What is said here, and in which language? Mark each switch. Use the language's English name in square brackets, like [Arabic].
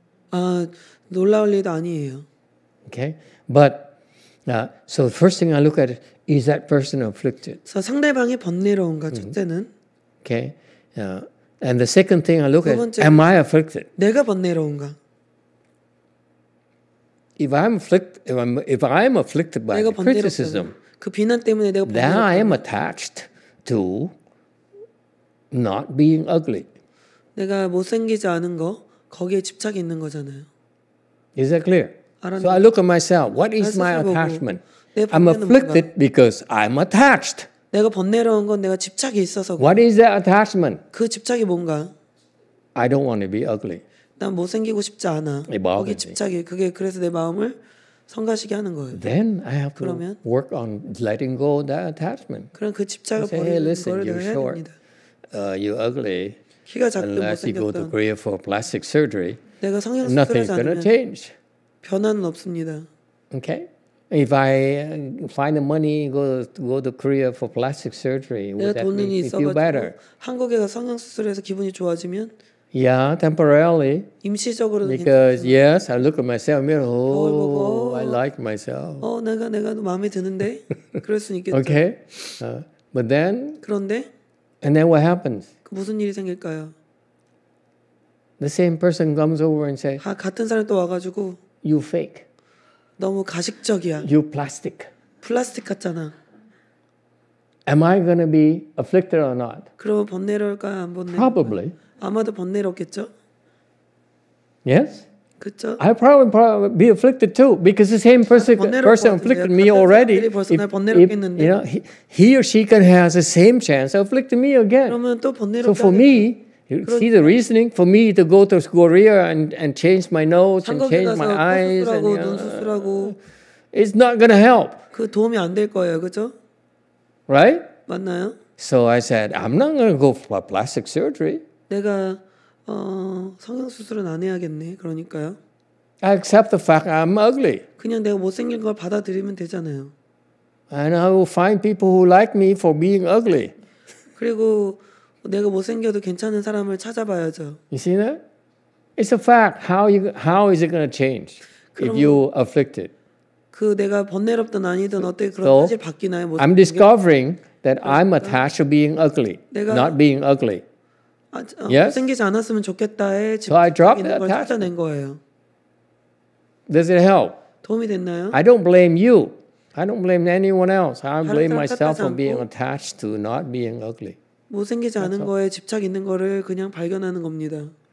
[Korean] 아, 놀라울 일도 아니에요. [English] Okay. But so the first thing I look at is that person afflicted. [Korean] 상대방이 번뇌로운가 첫째는. [English] Okay. And the second thing I look at am I afflicted? [Korean] 내가 번뇌로운가? [English] If I'm afflicted by the criticism. [Korean] 그 비난 때문에 내가 번뇌로운가? [English] Then I am attached to not being ugly. [Korean] 내가 못생기지 않은 거 거기에 집착이 있는 거잖아요. [English] Is that clear? [Korean] 알았는데. [English] So I look at myself. What is my attachment? I'm afflicted [Korean] 뭔가? [English] because I'm attached. [Korean] 내가 번뇌로운 건 내가 집착이 있어서. [English] What is that attachment? [Korean] 그 집착이 뭔가? [English] I don't want to be ugly. [Korean] 난 못생기고 싶지 않아. 거기 집착이 그게 그래서 내 마음을 성가시게 하는 거예요. [English] Then I have to [Korean] 그러면? [English] work on letting go of that attachment. [Korean] 그럼 그 집착을 버리는 [English] hey, listen, [Korean] 거를 [English] you're [Korean] 해야 [English] short. [Korean] 됩니다. [English] You're ugly. [Korean] 키가 작든 [English] Unless you go to Korea for plastic surgery, [Korean] 내가 성형 수술을 [English] nothing's going to change. [Korean] 변화는 없습니다. [English] Okay. If I find the money go to Korea for plastic surgery, would that make me feel better? [Korean] 한국에 가서 성형 수술해서 기분이 좋아지면? [English] Yeah, temporarily. [Korean] 임시적으로는 [English] Because [Korean] 괜찮습니다. [English] yes, I look at myself and oh, I like myself. [Korean] 내가 마음에 드는데? 그럴 수 있겠죠. [English] Okay. But then. [Korean] 그런데? [English] And then what happens? [Korean] 무슨 일이 생길까요? [English] The same person comes over and says, [Korean] 같은 사람 또 와가지고, [English] You fake. [Korean] 너무 가식적이야. [English] You plastic. [Korean] 플라스틱 같잖아. [English] Am I going to be afflicted or not? [Korean] 그럼 번뇌럴까 안 번뇌? [English] Probably. [Korean] 아마도 번뇌롭겠죠? [English] Yes. [Korean] 그쵸? [English] I probably be afflicted too because the same person afflicted me already. [Korean] 번뇌롭겠는데. [English] You know, he or she can have the same chance of afflicting me again. [Korean] 그러면 또 번뇌롭게. [English] So for me, you see the reasoning? For me to go to Korea and change my nose and change my eyes and you know, it's not going to help. [Korean] 그 도움이 안 될 거예요, 그쵸? [English] Right? [Korean] 맞나요? [English] So I said, I'm not going to go for plastic surgery. [Korean] 내가 성형 수술은 안 해야겠네. 그러니까요. [English] I accept the fact I'm ugly. [Korean] 그냥 내가 못생긴 걸 받아들이면 되잖아요. [English] And I will find people who like me for being ugly. [Korean] 그리고 내가 못생겨도 괜찮은 사람을 찾아봐야죠. [English] You see that? It's a fact. How is it going to change if you afflicted? [Korean] 그 내가 번뇌롭든 아니든 어떻게 그런 사실 바뀌나요? 못 [English] I'm discovering that I'm attached to being ugly, not being ugly. [Korean] 못생기지 않았으면 좋겠다에 집중하는 걸 찾아낸 거예요. [English] Does it help? [Korean] 도움이 됐나요? [English] I don't blame you. I don't blame anyone else. I blame myself for being attached to not being ugly. [Korean] 못생기지 않은 거에 집착 있는 거를 그냥 발견하는 겁니다.